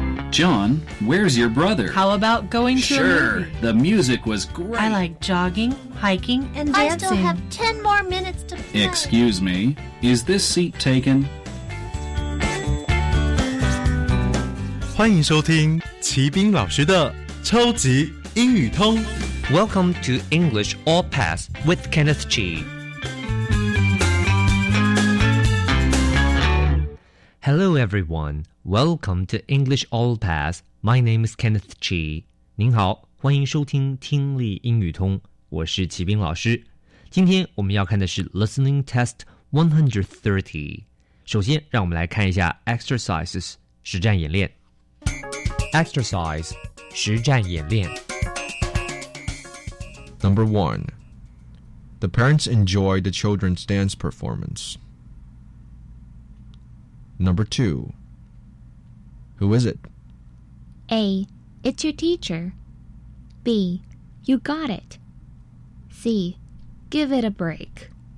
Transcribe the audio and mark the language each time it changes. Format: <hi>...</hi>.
<en>John, where's your brother? How about going to a movie? Sure, the music was great. I like jogging, hiking, and dancing. I still have 10 more minutes to play. Excuse me, is this seat taken?</en> <zh>欢迎收听齐宾老师的超级英语通。</zh> <en>Welcome to English All Pass with Kenneth Chi. Hello everyone, welcome to English All Pass. My name is Kenneth Chi.</en> <zh>您好，欢迎收听听力英语通，我是齐宾老师。今天我们要看的是 Listening Test 130. 首先让我们来看一下 Exercises 实战演练。 Exercise 实战演练。</zh> <en>Number 1. The parents enjoy the children's dance performance. Number 2. Who is it? A. It's your teacher. B. You got it. C. Give it a break.</en>